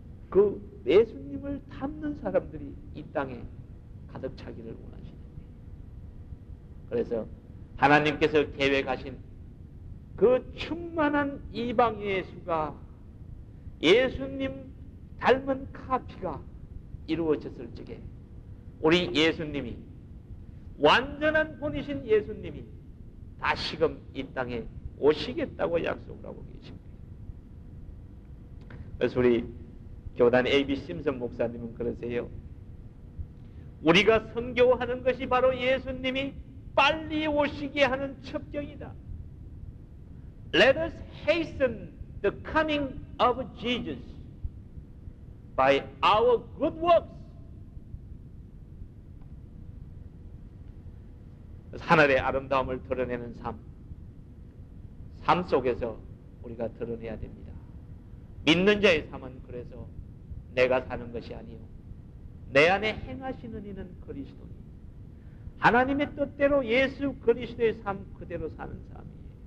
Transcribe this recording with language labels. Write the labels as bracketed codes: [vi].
[ko] 그 예수님을 닮는 사람들이 이 땅에 가득 차기를 원하시는 그래서 하나님께서 계획하신 그 충만한 이방 예수가 예수님 닮은 카피가 이루어졌을 적에 우리 예수님이 완전한 본이신 예수님이 다시금 이 땅에 오시겠다고 약속을 하고 계십니다. 그래서 우리 교단 AB 심슨 목사님은 그러세요. 우리가 선교하는 것이 바로 예수님이 빨리 오시게 하는 첩경이다. [en] Let us hasten the coming of Jesus by our good works. [ko] 하늘의 아름다움을 드러내는 삶. 삶 속에서 우리가 드러내야 됩니다. 믿는 자의 삶은 그래서 내가 사는 것이 아니요 내 안에 행하시는 이는 그리스도니 하나님의 뜻대로 예수 그리스도의 삶 그대로 사는 삶이에요.